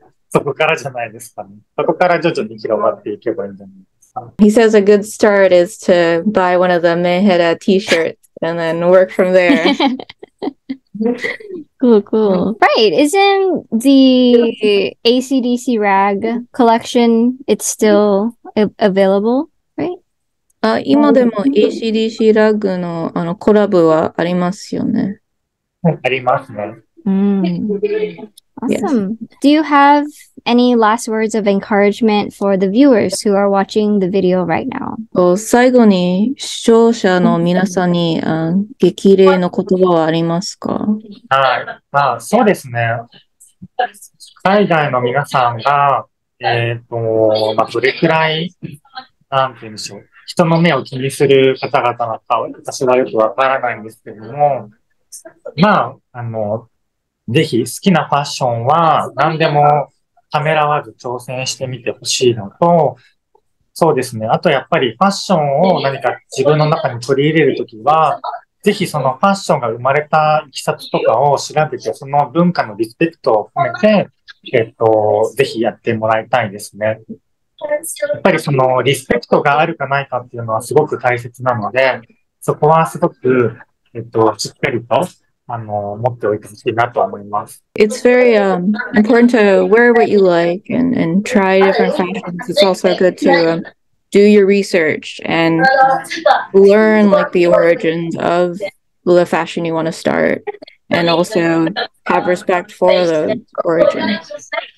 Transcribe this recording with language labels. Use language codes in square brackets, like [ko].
[ja] そこからじゃないですかね。そこから徐々に広がっていけばいいんじゃないですか。 [en] He says a good start is to buy one of the Menhera t-shirts and then work from there. cool. Right, isn't the ACDC rag collection, it's still available, right? [ja] 今でも ACDC rag の、あのコラボはありますよね。ありますね。 [en] Awesome. Yes. Do you have any last words of encouragement for the viewers who are watching the video right now? [ja] 最後に視聴者の皆さんに激励の言葉はありますか？はい。まあ、そうですね。海外の皆さんが、まあ、どれくらい、なんて言うんでしょう。人の目を気にする方々なのか、私はよくわからないんですけども、まあ、ぜひ好きなファッションは何でもためらわず挑戦してみてほしいのと、そうですね。あとやっぱりファッションを何か自分の中に取り入れるときは、ぜひそのファッションが生まれたいきさつとかを調べて、その文化のリスペクトを込めて、ぜひやってもらいたいですね。やっぱりそのリスペクトがあるかないかっていうのはすごく大切なので、そこはすごく、しっかりと、 [en] It's very important to wear what you like and try different fashions. It's also good to do your research and learn like the origins of the fashion you want to start and also have respect for those origins.